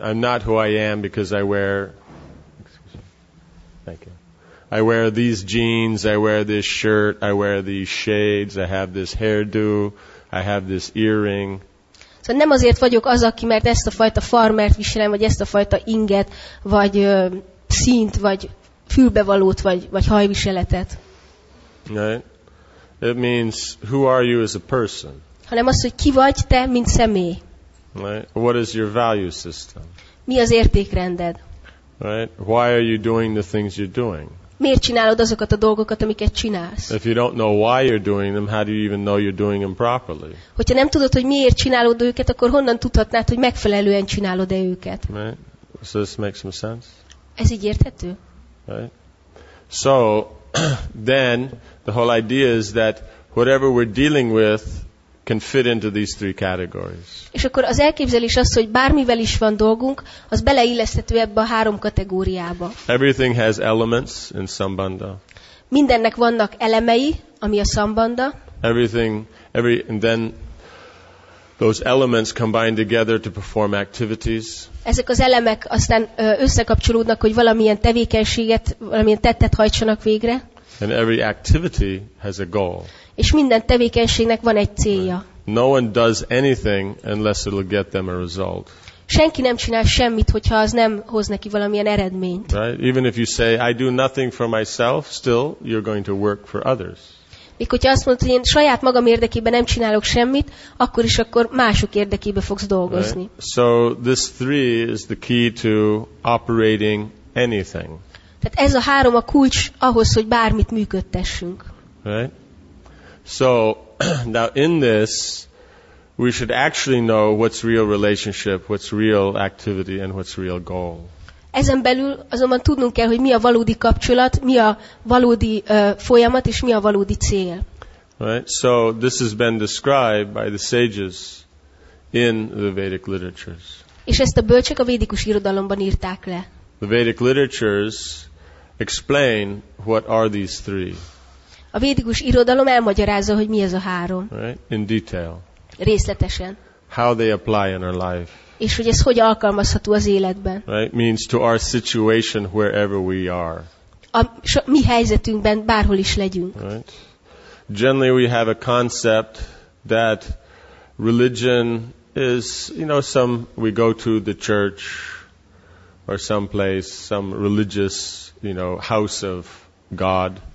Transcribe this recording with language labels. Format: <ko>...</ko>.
<en>I'm not who I am because I wear. Thank you. I wear these jeans, I wear this shirt, I wear these shades, I have this hairdo, I have this earring.</en> <hu>Szóval nem azért vagyok az, aki mert ezt a fajta farmert viselem, vagy ezt a fajta inget, vagy színt, vagy fülbevalót, vagy hajviseletet.</hu> <en>Right. It means who are you as a person.</en> <hu>Hanem az, hogy ki vagy te, mint személy.</hu> <en>Right. What is your value system?</en> <hu>Mi az értékrended?</hu> <en>Right. Why are you doing the things you're doing?</en> <hu>Miért csinálod azokat a dolgokat, amiket csinálsz?</hu> <en>If you don't know why you're doing them, how do you even know you're doing them properly?</en> <hu>Hogyha nem tudod, hogy miért csinálod őket, akkor honnan tudhatnád, hogy megfelelően csinálod-e őket?</hu> <en>Right. So this makes some sense?</en> <hu>Ez így érthető?</hu> <en>Right. So then the whole idea is that whatever we're dealing with can fit into these three categories.</en> <hu>És akkor az elképzelés az, hogy bármivel is van dolgunk, az beleilleszthető ebbe a három kategóriába.</hu> <en>Everything has elements in sambandha.</en> <hu>Mindennek vannak elemei, ami a sambandha.</hu> <en>Everything, and then those elements combine together to perform activities.</en> <hu>Ezek az elemek aztán összekapcsolódnak, hogy valamilyen tevékenységet, valamilyen tettet hajtsanak végre.</hu> <en>And every activity has a goal.</en> <hu>És minden tevékenységnek van egy célja.</hu> <en>Right. No one does anything unless it'll get them a result.</en> <hu>Senki nem csinál semmit, hogyha az nem hoz neki valamilyen eredményt.</hu> <en>Right? Even if you say I do nothing for myself, still you're going to work for others.</en> <hu>Még hogyha azt mondod, hogy én saját magam érdekében nem csinálok semmit, akkor is akkor mások érdekében fogsz dolgozni.</hu> <en>Right? So this three is the key to operating anything.</en> <hu>Tehát ez a három a kulcs ahhoz, hogy bármit működtessünk.</hu> <en>Right? So now in this we should actually know what's real relationship, what's real activity and what's real goal.</en> <hu>Ezen belül azonban tudnunk kell, hogy mi a valódi kapcsolat, mi a valódi folyamat és mi a valódi cél.</hu> <en>Right? So this has been described by the sages in the Vedic literatures.</en> <hu>És ezt a bölcsek a védikus irodalomban írták le.</hu> <en>The Vedic literatures explain what are these three.</en> <hu>A védikus irodalom elmagyarázza, hogy mi ez a három.</hu> <en>Right? In detail.</en> <hu>Részletesen.</hu> <en>How they apply in our life.</en> <hu>És hogy ez hogy alkalmazható az életben.</hu> <en>Right? Means to our situation wherever we are.</en> <hu>Mi helyzetünkben bárhol is legyünk.</hu> <en>Right? Generally we have a concept that religion is, you know, some we go to the church or some place, some religious, you know, house of God.</en>